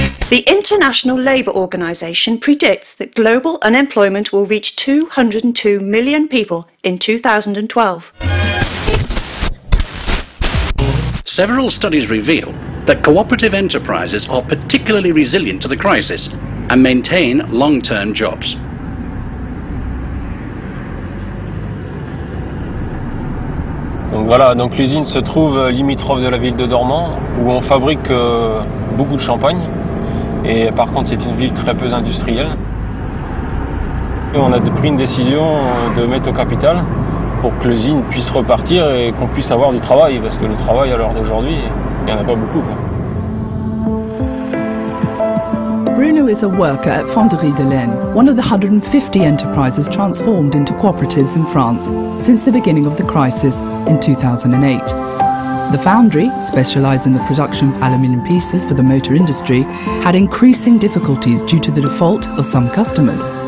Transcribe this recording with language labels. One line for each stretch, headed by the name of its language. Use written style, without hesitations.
English: The International Labour Organization predicts that global unemployment will reach 202 million people in 2012. Several studies reveal that cooperative enterprises are particularly resilient to the crisis and maintain long-term jobs.
French: Donc voilà, donc l'usine se trouve limitrophe de la ville de Dormans où on fabrique beaucoup de champagne. Et par contre, c'est une ville très peu industrielle. Et on a pris une décision de mettre au capital pour que l'usine puisse repartir et qu'on puisse avoir du travail, parce que le travail à l'heure d'aujourd'hui, il n'y en a pas beaucoup.
English: Bruno is a worker at Fonderie de Laine, one of the 150 enterprises transformed into cooperatives in France since the beginning of the crisis in 2008. The foundry, specialized in the production of aluminium pieces for the motor industry, had increasing difficulties due to the default of some customers.